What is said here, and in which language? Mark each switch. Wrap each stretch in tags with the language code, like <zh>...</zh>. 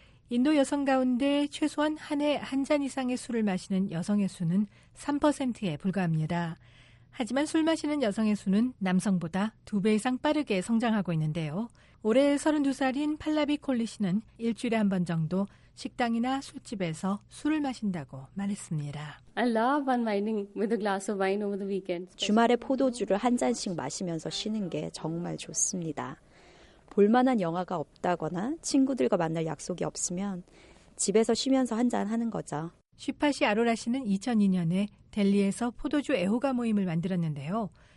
<ko>인도 여성 가운데 최소한 한 해 한 잔 이상의 술을 마시는 여성의 수는 3%에 불과합니다. 하지만 술 마시는 여성의 수는 남성보다 두 배 이상 빠르게 성장하고 있는데요. 올해 32살인 팔라비 콜리 씨는 일주일에 한 번 정도 식당이나 술집에서 술을 마신다고 말했습니다.</ko> <en>I love unwinding with a glass of wine over the weekend.</en> <ko>주말에 포도주를 한 잔씩 마시면서 쉬는 게 정말 좋습니다. 볼만한 영화가 없다거나 친구들과 만날 약속이 없으면 집에서 쉬면서 한 잔 하는 거죠. 슈파시 아로라 씨는 2002년에 델리에서 포도주 애호가 모임을 만들었는데요.</ko>